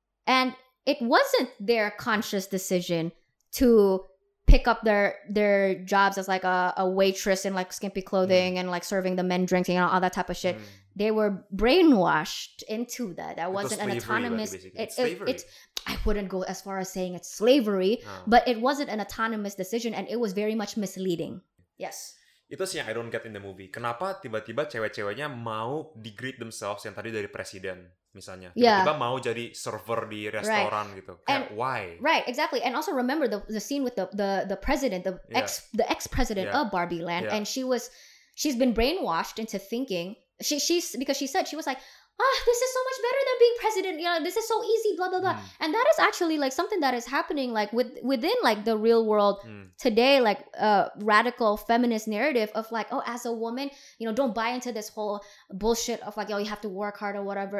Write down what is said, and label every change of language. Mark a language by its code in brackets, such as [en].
[en] And it wasn't their conscious decision to pick up their jobs as like a waitress in like skimpy clothing and like serving the men drinks and all that type of shit. Mm. They were brainwashed into that. That wasn't an autonomous... I wouldn't go as far as saying it's slavery, but it wasn't an autonomous decision and it was very much misleading. Yes. [id] Itu sih yang [en] I don't get in the movie. [id] Kenapa tiba-tiba cewek-ceweknya mau [en] degrade themselves [id] yang tadi dari presiden, misalnya. Tiba-tiba mau jadi server di restoran gitu. Kayak, [en] and, why? Right, exactly. And also remember the scene with the president, the ex-president of Barbie Land. Yeah. And she's been brainwashed into thinking, because she said, she was like, this is so much better than being president. You know, this is so easy, blah, blah, blah. Mm. And that is actually like something that is happening like within like the real world today, like a radical feminist narrative of like, oh, as a woman, you know, don't buy into this whole bullshit of like, yo, you have to work hard or whatever.